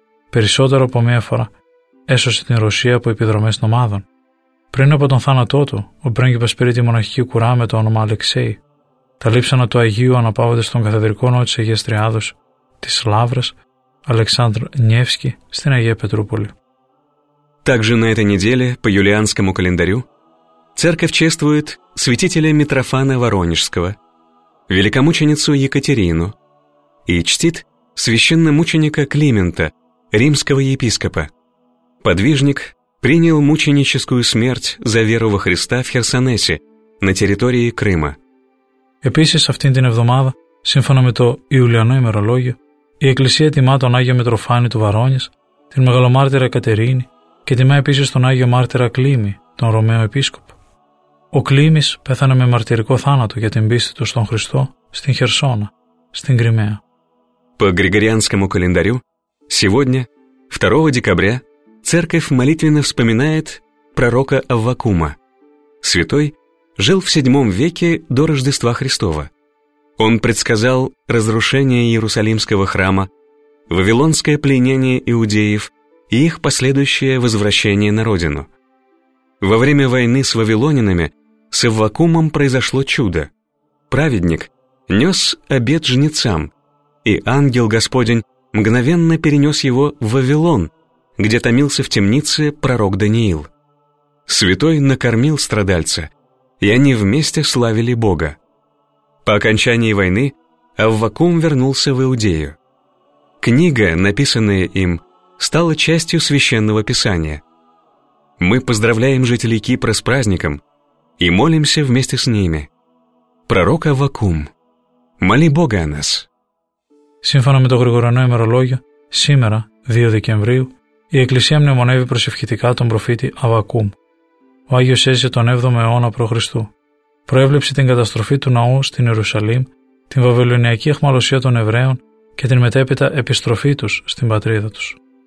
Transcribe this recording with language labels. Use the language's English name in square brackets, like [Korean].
[Greek] Περισσότερο από μία φορά έσωσε την Ρωσία από επιδρομές νομάδων. Πριν από τον θάνατό του, ο πρίγκιπας πήρε τη μοναχική κουρά με το όνομα Αλεξέη. Τα λείψανα του Αγίου αναπαύονται στον καθεδρικό ναό της Αγίας Τριάδος, της Λαύρας, Αλεξάνδρ Νιεύσκη, στην Αγία Πετρούπολη. [Russian] Также на этой неделе по юлианскому календарю церковь чествует святителя Митрофана Воронежского, великомученицу Екатерину и чтит священномученика Климента, римского епископа. Подвижник принял мученическую смерть за веру во Христа в Херсонесе на территории Крыма. [Greek] Επίσης, αυτήν την εβδομάδα, σύμφωνα με το Ιουλιανό ημερολόγιο, η Εκκλησία τιμά τον Άγιο Μητροφάνη του Βαρώνης, την Μεγαλομάρτυρα Κατερίνη και τιμά επίσης τον Άγιο Μάρτυρα Κλήμη, τον Ρωμαίο Επίσκοπο. Ο Κλήμης πέθανε με μαρτυρικό θάνατο για την πίστη του στον Χριστό στην Χερσόνα, στην Κριμαία. [Russian] По Григорианскому календарю, сегодня, 2 декабря, церковь молитвенно вспоминает пророка Аввакума. Святой жил в VII веке до Рождества Христова. Он предсказал разрушение Иерусалимского храма, вавилонское пленение иудеев и их последующее возвращение на родину. Во время войны с вавилонянами с Аввакумом произошло чудо. Праведник нес обет жнецам, и ангел Господень мгновенно перенес его в Вавилон, где томился в темнице пророк Даниил. Святой накормил страдальца, и они вместе славили Бога. По окончании войны Аввакум вернулся в Иудею. Книга, написанная им, стала частью Священного Писания. Мы поздравляем жителей Кипра с праздником и молимся вместе с ними. Пророк Аввакум, моли Бога о нас. [Greek] Σύμφωνα με το Γρηγοριανό ημερολόγιο, σήμερα, 2 Δεκεμβρίου, η Εκκλησία μνημονεύει προσευχητικά τον προφήτη Αββακούμ. Ο Άγιος έζησε τον 7ο αιώνα π.Χ. Προέβλεψε την καταστροφή του ναού στην Ιερουσαλήμ, την βαβυλωνιακή αιχμαλωσία των Εβραίων και την μετέπειτα επιστροφή τους στην πατρίδα τους.